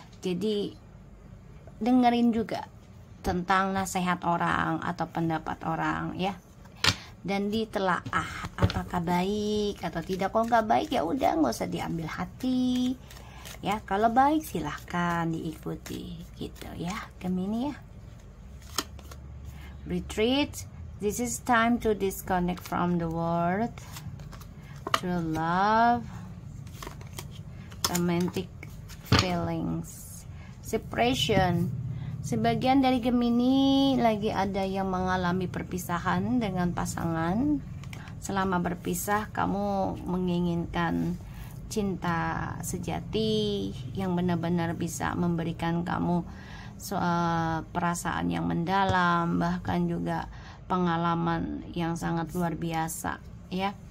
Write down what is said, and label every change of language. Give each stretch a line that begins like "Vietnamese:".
Indonesian: Jadi dengerin juga tentang nasihat orang atau pendapat orang ya, dan ditelaah apakah baik atau tidak. Kalau nggak baik ya udah nggak usah diambil hati ya, kalau baik silahkan diikuti gitu ya Gemini ya.
English: Retreat, this is time to disconnect from the world, to love, romantic feelings, separation.
Indonesian: Sebagian dari Gemini lagi ada yang mengalami perpisahan dengan pasangan. Selama berpisah, kamu menginginkan cinta sejati yang benar-benar bisa memberikan kamu perasaan yang mendalam, bahkan juga pengalaman yang sangat luar biasa ya.